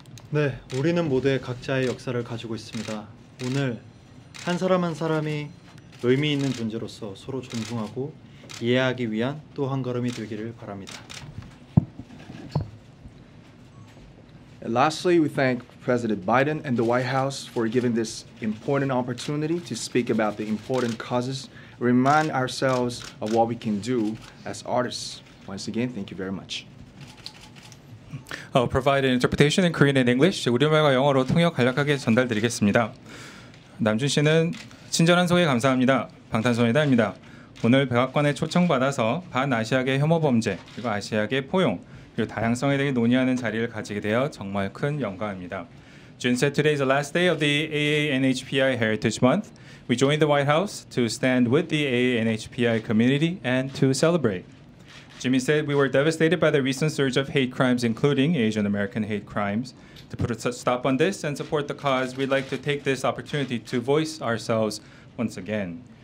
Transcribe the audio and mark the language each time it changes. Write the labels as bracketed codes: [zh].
[ko] 네, 우리는 모두 각자의 역사를 가지고 있습니다. 오늘 한 사람 한 사람이 의미 있는 존재로서 서로 존중하고 이해하기 위한 또 한 걸음이 되기를 바랍니다. [en] And lastly, we thank President Biden and the White House for giving this important opportunity to speak about the important causes, remind ourselves of what we can do as artists. Once again, thank you very much. I'll provide an interpretation in Korean and English. [ko] 우리 말과 영어로 통역 간략하게 전달드리겠습니다. 남준 씨는 친절한 소개 감사합니다. 방탄소년단입니다. 오늘 백악관에 초청받아서 반아시아계 혐오 범죄, 그리고 아시아계 포용, 그리고 다양성에 대해 논의하는 자리를 가지게 되어 정말 큰 영광입니다. [en] Jun said today is the last day of the AANHPI Heritage Month. We joined the White House to stand with the AANHPI community and to celebrate. Jimmy said we were devastated by the recent surge of hate crimes, including Asian American hate crimes. To put a stop on this and support the cause, we'd like to take this opportunity to voice ourselves once again.